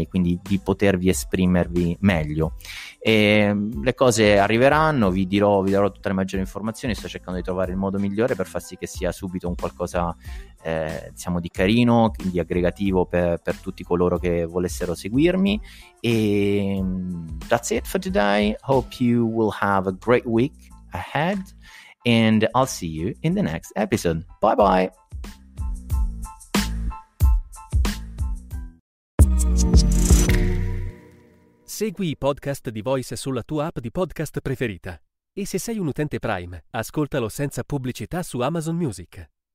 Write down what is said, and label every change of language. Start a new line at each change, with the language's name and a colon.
Italian: Quindi di potervi esprimervi meglio. E le cose arriveranno, vi darò tutte le maggiori informazioni. Sto cercando di trovare il modo migliore per far sì che sia subito un qualcosa, diciamo, di carino, di aggregativo per tutti coloro che volessero seguirmi.
English: E that's it for today. Hope you will have a great week ahead. And I'll see you in the next episode. Bye bye.
Italian: Segui i podcast di Voice sulla tua app di podcast preferita. E se sei un utente Prime, ascoltalo senza pubblicità su Amazon Music.